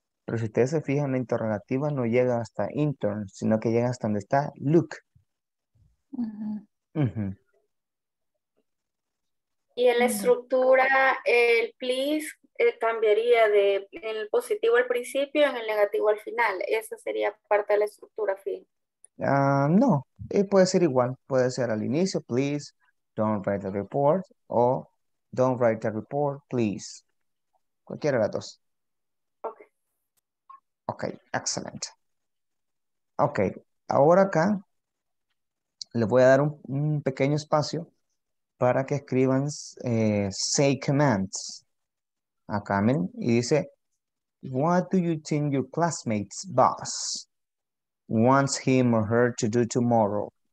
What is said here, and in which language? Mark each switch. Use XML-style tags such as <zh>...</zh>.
<es>Pero si ustedes se fijan, la interrogativa no llega hasta interns, sino que llega hasta donde está Luke. Y en la estructura, el please cambiaría de en el positivo al principio en el negativo al final. Esa sería parte de la estructura, Phil. No, puede ser igual. Puede ser al inicio,</es> <en>please, don't write the report, o don't write the report, please.</en> <es>Cualquiera de las dos.</es> <en>Ok, excellent.</en> <es>Ok, ahora acá les voy a dar un pequeño espacio para que escriban say commands. Acá, miren, y dice,</es> <en>what do you think your classmate's boss wants him or her to do tomorrow?</en>